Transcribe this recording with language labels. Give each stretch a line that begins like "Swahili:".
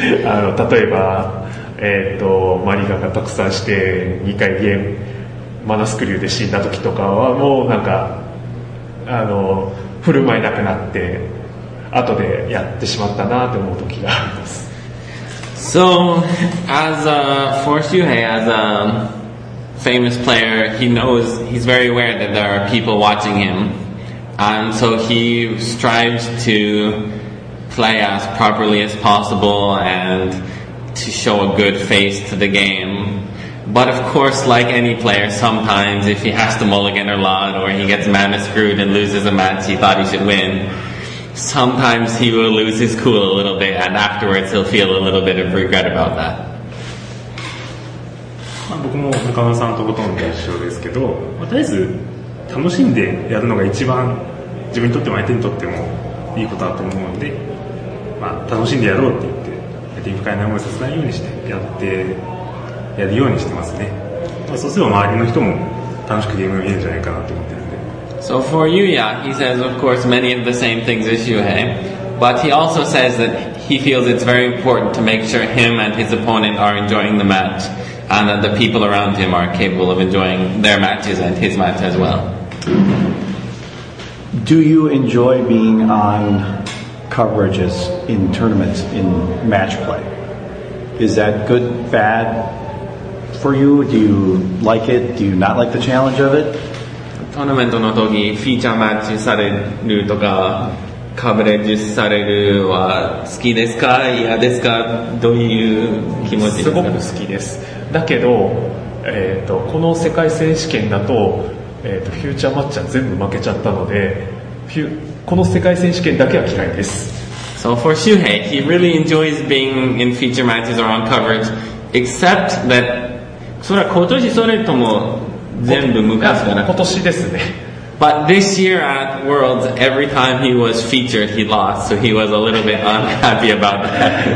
Japanese: あの例えば、マリガがたくさんして2回ゲームマナスクリューで死んだ時とかはもうなんかあの振る舞えなくなって後でやってしまったなと思う時があります。
English: So as a for Shuhei as a famous player he knows he's very aware that there are people watching him and so he strives to play as properly as possible and to show a good face to the game. But of course, like any player, sometimes if he has to mulligan a lot or he gets mana screwed and loses a match he thought he should win, sometimes he will lose his cool a little bit and afterwards he'll feel a little bit of regret about that.
Japanese: まあ僕も中村さんとほとんど一緒ですけど、まあ、とりあえず楽しんでやるのが一番自分にとっても相手にとってもいいことだと思うので、まあ、楽しんでやろうって言って相手に不快な思いさせないようにしてやってやるようにしてますね。まあ、そうすれば周りの人も楽しくゲームを見るんじゃないかなと思ってるんで。
English: So for Yuya, he says of course many of the same things as Shuhei, but he also says that he feels it's very important to make sure him and his opponent are enjoying the match and that the people around him are capable of enjoying their matches and his match as well. Do you enjoy being on coverages in tournaments in match play? Is that good, bad for you? Do you like it? Do you not like the challenge of it?
Japanese: トーナメントの時フィーチャーマッチされるとかカブレッジされるは好きですか嫌ですかどういう気持ちですか。すごく好きです。だけど、この世界選手権だと、フューチャーマッチは全部負けちゃったのでこの世界選手権だけは嫌いです。
English: So for Shuhei, he really enjoys being in feature matches or on coverage except that
Japanese: それは今年それとも全部昔かな。今年ですね。
English: But this year at Worlds every time he was featured he lost, so he was a little bit unhappy about that.